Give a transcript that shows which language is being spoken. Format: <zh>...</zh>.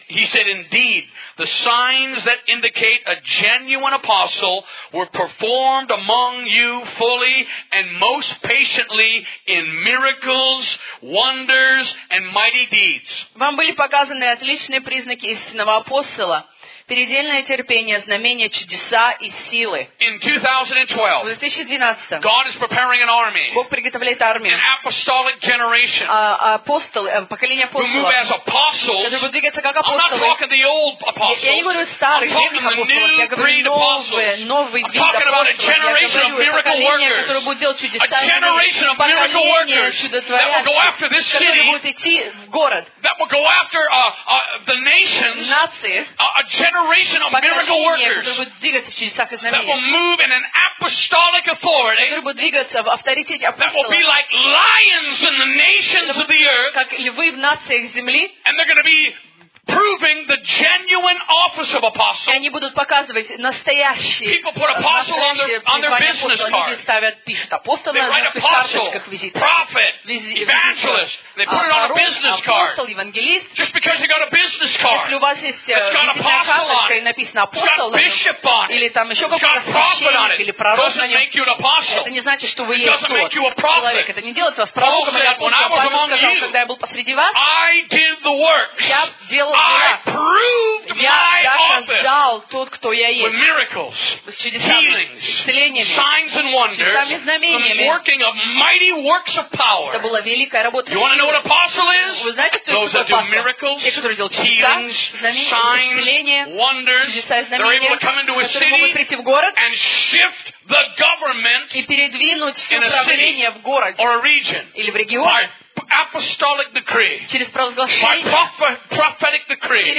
<en>he said, indeed, the signs that indicate a genuine apostle were performed among you fully and most patiently in miracles, wonders, and mighty deeds.</en> <ru>Вам были показаны отличные признаки истинного апостола. Передельное терпение, знамения, чудеса и силы.</ru> <en>In 2012, God is preparing an army,</en> <ru>Бог приготовляет армию.</ru> <en>An apostolic generation,</en> <ru>апостолы, поколение апостолов,</ru> <en>who move as apostles,</en> <ru>которые будут двигаться как апостолы.</ru> <en>I'm not talking the old apostles.</en> <ru>Я не говорю старых, древних апостолов. Я говорю новые, новый вид апостолов.</ru> <en>I'm talking about a generation of miracle workers.</en> <ru>Которые будут делать чудеса.</ru> <en>A generation of miracle workers that will go after this city.</en> <ru>Которые будут идти в город.</ru> <en>That will go after the nations.</en> <ru>Нации.</ru> <en>Generation of miracle workers that will move in an apostolic authority that will be like lions in the nations of the earth, and they're going to be proving the genuine office of apostle.</en> <ru>Они будут показывать настоящие.</ru> <en>People put apostle on their business card.</en> <ru>Они ставят, пишут апостол на карточках визитных.</ru> <en>Prophet, evangelist. They put it on a business card.</en> <ru>Апостол, евангелист.</ru> <en>Just because you got a business card.</en> <ru>Если у вас есть визитная карточка и написано апостол, или там еще какой-то священник или пророк на нем, это не значит, что вы есть тот человек. Это не делает вас пророком или апостолом. Когда я был посреди вас, я делал.</ru> <en>I proved my office with miracles, healings, signs and wonders, the working of mighty works of power. You want to know what an apostle is? Those that do miracles, healings, signs, wonders, they're able to come into a city and shift the government in a city or a region by apostolic decree, by prophetic decree,</en>